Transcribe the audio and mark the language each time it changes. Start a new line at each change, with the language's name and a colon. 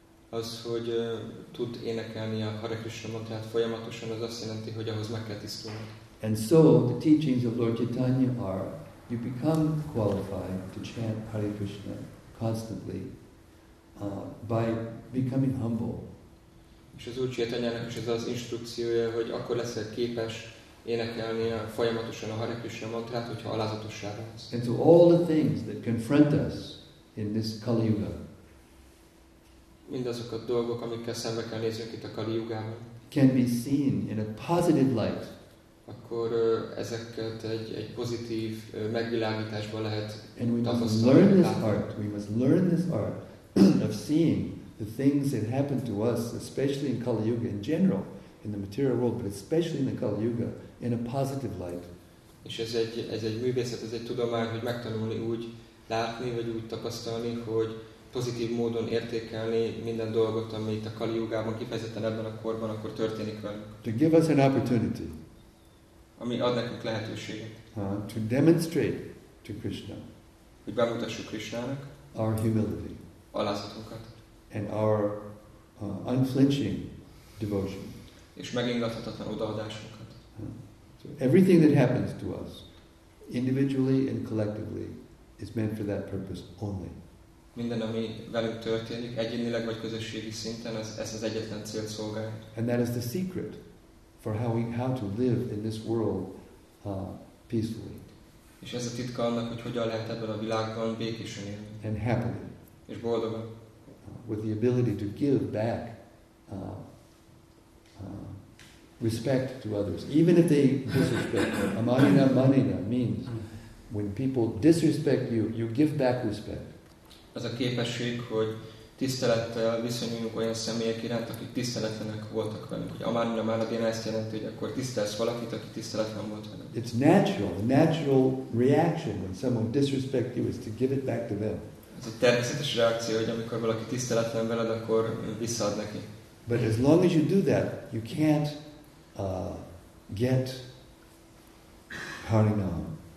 Hungarian: Az, hogy tud énekelni a Hare Krishna mantrát folyamatosan, az azt jelenti, hogy ahhoz meg kell tisztulni.
English: And so, the teachings of Lord Chaitanya are you become qualified to chant Hare Krishna constantly by becoming humble.
Hungarian: És az Úr Csaitanyának is ez az instrukciója, hogy akkor leszel képes énekelni folyamatosan a Hare Krishna mantrát, hogyha alázatossá válsz.
English: And so all the things that confront us in this Kali Yuga.
Hungarian: Mindazok a dolgok, amikkel szembe kell néznünk itt a Kali Yugában.
English: Can be seen in a positive light.
Hungarian: Akkor ezeket egy pozitív megvilágításban lehet.
English: And we must learn this art. We must learn this art of seeing the things that happen to us, especially in Kali Yuga in general, in the material world, but especially in the Kali Yuga, in a positive light.
Hungarian: És ez egy művészet, ez egy tudomány, hogy megtanulni úgy látni, vagy úgy tapasztalni, hogy pozitív módon értékelni minden dolgot, ami itt a Kali Yugában, kifejezetten ebben a korban, akkor történik velünk.
English: To give us an opportunity.
Hungarian: Ami ad nekünk lehetőséget.
English: To demonstrate to Krishna.
Hungarian: Hogy bemutassuk Krishnának.
English: Our humility.
Hungarian: Alázatunkat.
English: And our unflinching devotion.
Hungarian: És megingathatatlan odaadásunkat.
English: So everything that happens to us, individually and collectively, is meant for that purpose only.
Hungarian: Minden, ami velünk történik, egyénileg vagy közösségi szinten, ez az egyetlen cél szolgálja.
English: And that is the secret for how to live in this world peacefully.
Hungarian: És ez a titka annak, hogy hogyan lehet ebben a világban békésen élni.
English: And happily.
Hungarian: És boldogan.
English: With the ability to give back respect to others, even if they disrespect you. Amanina manina means when people disrespect you, you give back respect.
Hungarian: Az a képesség, hogy tisztelettel viszonyulunk olyan személyek iránt, akik tiszteletlenek voltak velünk. Ugye Amarnya Manadina ezt jelenti, hogy akkor tisztelsz valakit, aki tiszteletlen volt velünk.
English: It's natural. The natural reaction when someone disrespects you is to give it back to them.
Hungarian: Ez egy természetes reakció, hogy amikor valaki tiszteletlen veled, akkor visszaad neki.
English: But as long as you do that, you can't get Harinam.